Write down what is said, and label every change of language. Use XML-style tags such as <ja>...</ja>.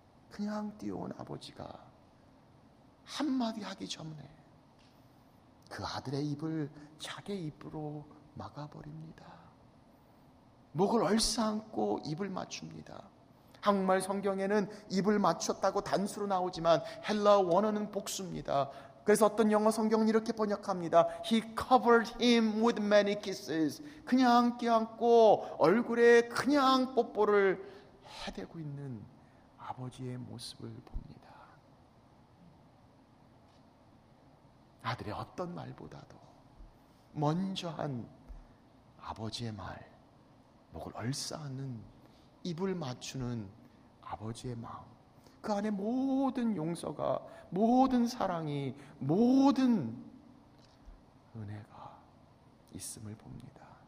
<ko>그냥 뛰어온 아버지가 한마디 하기 전에 그 아들의 입을 자기 입으로 막아버립니다. 목을 얼싸안고 입을 맞춥니다. 한국말 성경에는 입을 맞췄다고 단수로 나오지만 헬라 원어는 복수입니다. 그래서 어떤 영어 성경은 이렇게 번역합니다.</ko> <en>He covered him with many kisses.</en> <ko>그냥 껴안고 얼굴에 그냥 뽀뽀를 해대고 있는 아버지의 모습을 봅니다. 아들의 어떤 말보다도 먼저 한 아버지의 말, 목을 얼싸안는 입을 맞추는 아버지의 마음, 그 안에 모든 용서가, 모든 사랑이, 모든 은혜가 있음을 봅니다.</ko>